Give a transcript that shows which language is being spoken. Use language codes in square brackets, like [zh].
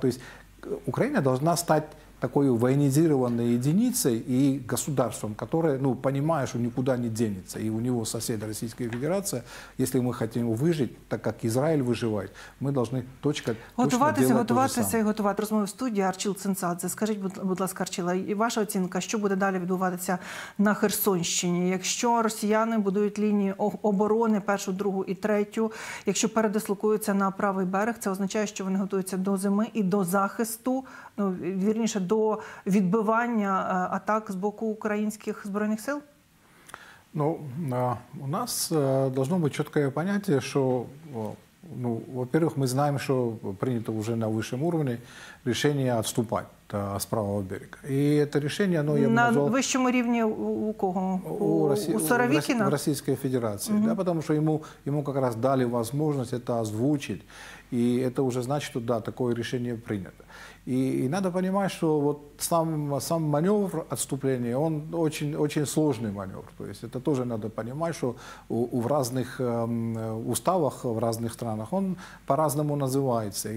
[ru] То есть Украина должна стать такой военизированной единицей и государством, которое, ну, понимаешь, что никуда не денется. И у него сосед Российская Федерация. Если мы хотим выжить, так как Израиль выживает, мы должны точка готовиться, готовиться и готовать. [uk] Розмови в студії Арчіл Ценцадзе. Скажіть, будь ласка, Арчіла, ваша оцінка, що буде далі відбуватися на Херсонщині, якщо росіяни будують лінії оборони першу, другу і третю, якщо передислокуються на правий берег, це означає, що вони готуються до зими і до захисту, ну, вірніше, до відбивання атак з боку українських збройних сил? Ну, у нас должно бути чіткое поняття, що, ну, во-первых, ми знаємо, що прийнято вже на вищому рівні рішення відступати з правого берега. І це рішення, ну, я б назвав... На вищому рівні у кого? У Соровікіна? У Російської Федерації. Угу. Да, тому що йому якраз дали можливість це озвучити. [ru] И это уже значит, что да, такое решение принято. И надо понимать, что вот сам маневр отступления, он очень сложный маневр. То есть это тоже надо понимать, что в разных уставах, в разных странах он по-разному называется.